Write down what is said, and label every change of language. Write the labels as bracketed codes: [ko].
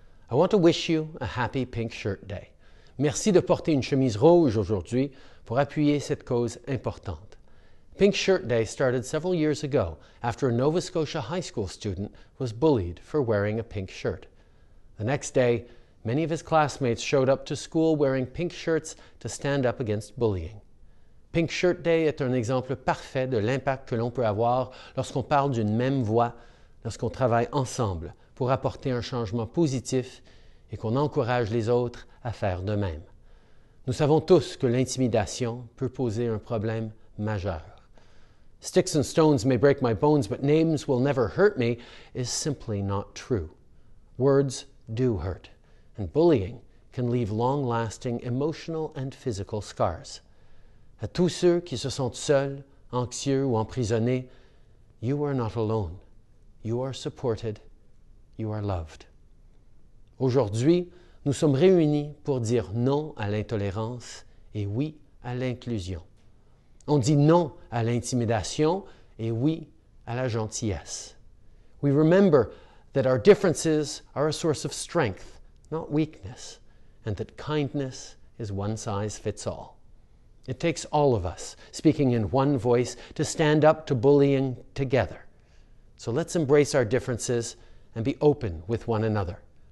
[en] I want to wish you a happy pink shirt day. [fr] Merci de porter une chemise rouge aujourd'hui pour appuyer cette cause importante. [en] Pink shirt day started several years ago after a Nova Scotia high school student was bullied for wearing a pink shirt. The next day, many of his classmates showed up to school wearing pink shirts to stand up against bullying. [fr] Pink shirt day est un exemple parfait de l'impact que l'on peut avoir lorsqu'on parle d'une même voix lorsqu'on travaille ensemble pour apporter un changement positif et qu'on encourage les autres à faire de même. Nous savons tous que l'intimidation peut poser un problème majeur. [en] Sticks and stones may break my bones, but names will never hurt me is simply not true. Words do hurt, and bullying can leave long-lasting emotional and physical scars. [fr] À tous ceux qui se sentent seuls, anxieux ou emprisonnés, [en] you are not alone. You are supported. You are loved. [fr] Aujourd'hui, nous sommes réunis pour dire non à l'intolérance et oui à l'inclusion. On dit non à l'intimidation et oui à la gentillesse. [en] We remember that our differences are a source of strength, not weakness, and that kindness is one size fits all. It takes all of us, speaking in one voice, to stand up to bullying together. So let's embrace our differences and be open with one another.